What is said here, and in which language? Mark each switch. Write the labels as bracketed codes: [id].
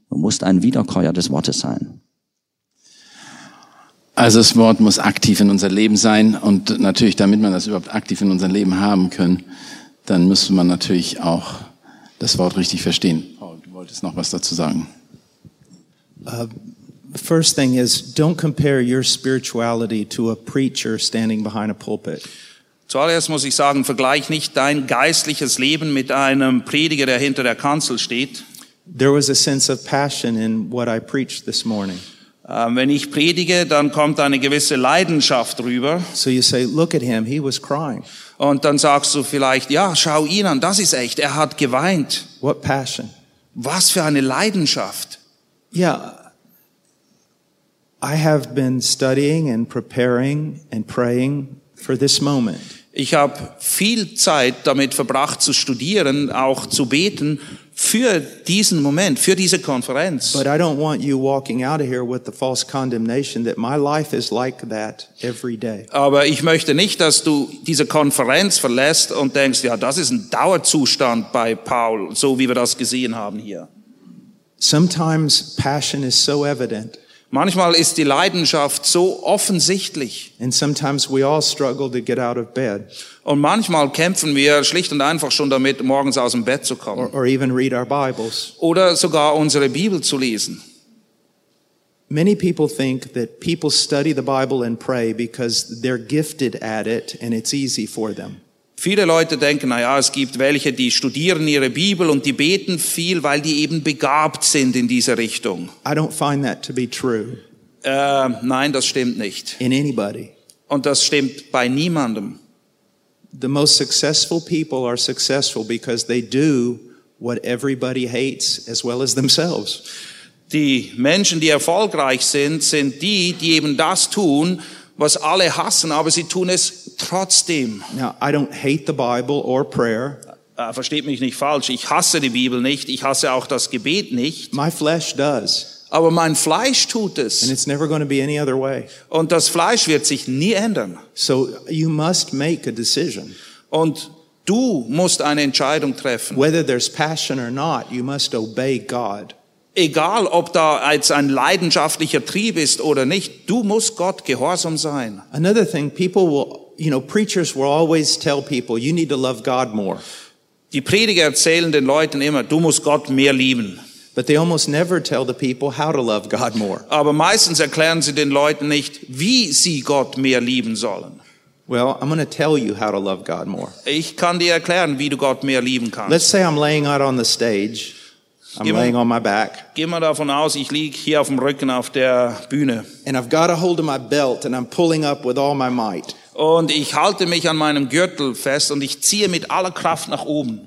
[de] Du musst ein Wiederkäuer des Wortes sein. Also das Wort muss aktiv in unser Leben sein. Und natürlich, damit man das überhaupt aktiv in unserem Leben haben kann, dann müsste man natürlich auch das Wort richtig verstehen. Wolltest noch was dazu sagen? [en] First thing is, don't compare your spirituality to a preacher standing behind a pulpit. [de] Zuallererst muss ich sagen, vergleich nicht dein geistliches Leben mit einem Prediger, der hinter der Kanzel steht. [en] There was a sense of passion in what I preached this morning. [de] Wenn ich predige, dann kommt eine gewisse Leidenschaft rüber. [en] So you say, look at him, he was crying. [de] Und dann sagst du vielleicht, ja, schau ihn an, das ist echt, er hat geweint. [en] What passion? [de] Was für eine Leidenschaft. [en] Yeah. I have been studying and preparing and praying for this moment. [de] Ich habe viel Zeit damit verbracht zu studieren, auch zu beten für diesen Moment, für diese Konferenz. [en] But I don't want you walking out of here with the false condemnation that my life is like that every day. [de] Aber ich möchte nicht, dass du diese Konferenz verlässt und denkst, ja, das ist ein Dauerzustand bei Paul, so wie wir das gesehen haben hier. [en] Sometimes passion is so evident. [de] Manchmal ist die Leidenschaft so offensichtlich. [en] And sometimes we all struggle to get out of bed. [de] Und manchmal kämpfen wir schlicht und einfach schon damit, morgens aus dem Bett zu kommen. [en] Or even read our Bibles. [de] Oder sogar unsere Bibel zu lesen. [en] Many people think that people study the Bible and pray because they're gifted at it and it's easy for them. [de] Viele Leute denken, na ja, es gibt welche, die studieren ihre Bibel und die beten viel, weil die eben begabt sind in dieser Richtung. [en] I don't find that to be true. [de] Nein, das stimmt nicht. [en] In anybody. [de] Und das stimmt bei niemandem. [en] The most successful people are successful because they do what everybody hates as well as themselves. [de] Die Menschen, die erfolgreich sind, sind die, die eben das tun, was alle hassen, aber sie tun es trotzdem. [en] Now, I don't hate the Bible or prayer. [de] Versteht mich nicht falsch, ich hasse die Bibel nicht, ich hasse auch das Gebet nicht. [en] My flesh does. [de] Aber mein Fleisch tut es. [en] And it's never going to be any other way. [de] Und das Fleisch wird sich nie ändern. [en] So you must make a decision. [de] Und du musst eine Entscheidung treffen. [en] Whether there's passion or not, you must obey God. [de] Egal, ob da jetzt ein leidenschaftlicher Trieb ist oder nicht, du musst Gott gehorsam sein. [en] Another thing, people will, you know, preachers will always tell people, you need to love God more. [de] Die Prediger erzählen den Leuten immer, du musst Gott mehr lieben. [en] But they almost never tell the people how to love God more. [de] Aber meistens erklären sie den Leuten nicht, wie sie Gott mehr lieben sollen. [en] Well, I'm going to tell you how to love God more. [de] Ich kann dir erklären, wie du Gott mehr lieben kannst. [en] Let's say I'm laying out on the stage. I'm laying on my back. [de] Geh mal davon aus, ich lieg hier auf dem Rücken auf der Bühne. [en] And I've got a hold of my belt and I'm pulling up with all my might. [de] Und ich halte mich an meinem Gürtel fest und ich ziehe mit aller Kraft nach oben.